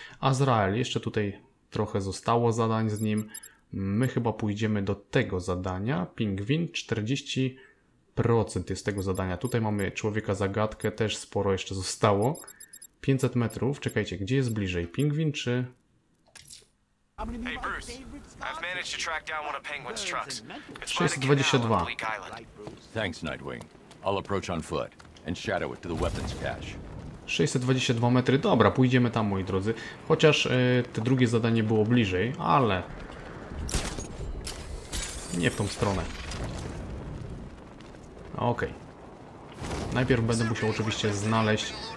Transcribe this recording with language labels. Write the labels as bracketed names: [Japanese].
[Polish] Azrael, jeszcze tutaj trochę zostało zadań z nim. My chyba pójdziemy do tego zadania. Pingwin 40 procent jest tego zadania. Tutaj mamy człowieka zagadkę, też sporo jeszcze zostało. 500 metrów, czekajcie, gdzie jest bliżej, pingwin czy... [English] Hey Bruce, I've managed to track down one of Penguin's trucks. It's right at the canal on Bleak Island. Thanks, Nightwing. I'll approach on foot and shadow it to the weapons cache. [Polish] 622 metry, dobra, pójdziemy tam, moi drodzy. Chociaż to drugie zadanie było bliżej, ale... Nie w tą stronę. Okej. Okay. Najpierw będę musiał oczywiście znaleźć...